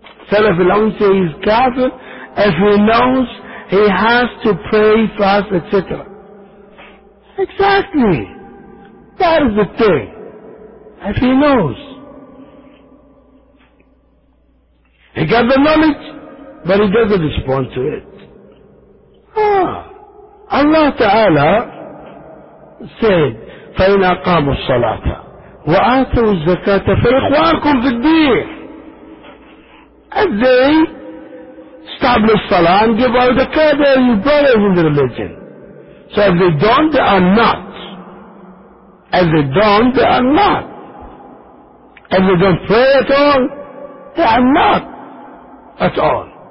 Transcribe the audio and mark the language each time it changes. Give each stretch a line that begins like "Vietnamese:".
English: Salaf al-Aun say he is kafir. If he knows, he has to pray, fast, etc. Exactly. That is the thing. If he knows. He got the knowledge, but he doesn't respond to it. Allah Ta'ala said,
Arabic: فَإِنْ أَقَامُوا الصَّلَاةَ وَآتَوُوا الزَّكَاةَ فَإِخْوَانُكُمْ فِي الدِّينِ.
English: And they establish salah and give out the kadah, you brothers in the religion. So if they don't, they are not. If they don't, they are not. If they don't pray at all, they are not. At all.